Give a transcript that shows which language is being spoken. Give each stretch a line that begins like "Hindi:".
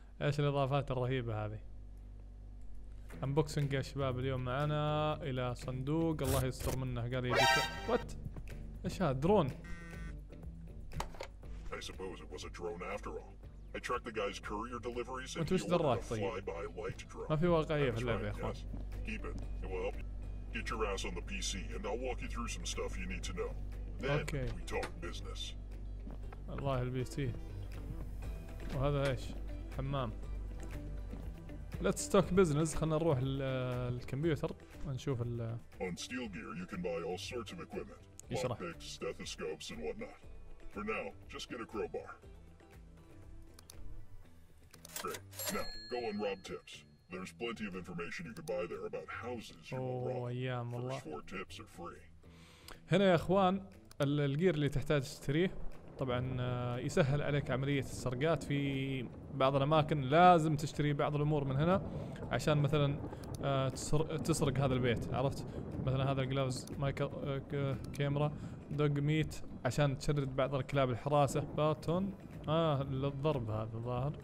Arabic: إيش الإضافات الرهيبة هذه؟ Unboxing يا شباب اليوم معنا إلى صندوق الله يستر منه قال يبيك.
English: What?
Arabic: إيش هذا درون؟
English: I suppose it was a drone after all. I tracked the guy's courier deliveries and he ordered a fly-by light drone.
Arabic: ما في واقعية في اللعبة يا أخوان.
English: Keep it. It will help. Get your ass on the PC and I'll walk you through some stuff you need to know. Then we talk business.
Arabic: الله البي سي. وهذا ايش؟ حمام.
English: Let's talk business.
Arabic: خلنا نروح الكمبيوتر ونشوف ال
English: On Steel Gear you can buy all sorts of equipment. Lockpicks, stethoscopes and whatnot. For now, just get a crowbar. Great. Now, go on Rob Tips. There's plenty of information you could buy there about houses you will rob.
Arabic: أيام والله.
English: First four tips are free.
Arabic: هنا يا اخوان الجير اللي تحتاج تشتريه طبعا يسهل عليك عملية السرقات في بعض الأماكن. لازم تشتري بعض الأمور من هنا عشان مثلا تسرق هذا البيت، عرفت؟ مثلا هذا الجلافز مايكرو كاميرا دوغ ميت عشان تشرد بعض الكلاب الحراسة باتون للضرب هذا الظاهر.